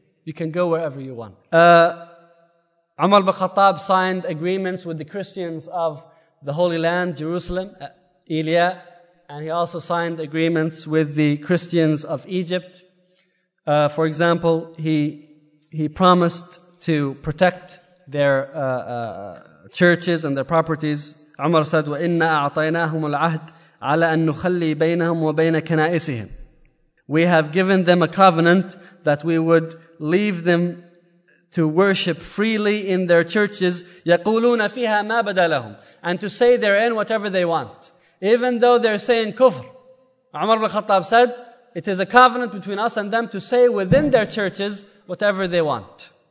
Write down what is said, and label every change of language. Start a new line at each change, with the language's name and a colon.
English: You can go wherever you want. Umar ibn Khattab signed agreements with the Christians of the Holy Land, Jerusalem, Elia, and he also signed agreements with the Christians of Egypt. For example, he promised to protect their churches and their properties.
Arabic: Umar said, وَإِنَّا أَعْطَيْنَاهُمُ الْعَهْدِ عَلَىٰ أَن نُخَلِّي بَيْنَهُمْ وَبَيْنَ كَنَائِسِهِمْ.
English: We have given them a covenant that we would leave them to worship freely in their churches.
Arabic: يَقُولُونَ فِيهَا مَا بَدَى لَهُمْ.
English: And to say therein whatever they want. Even though they're saying kufr, Umar ibn Khattab said, it is a covenant between us and them to say within their churches whatever they want.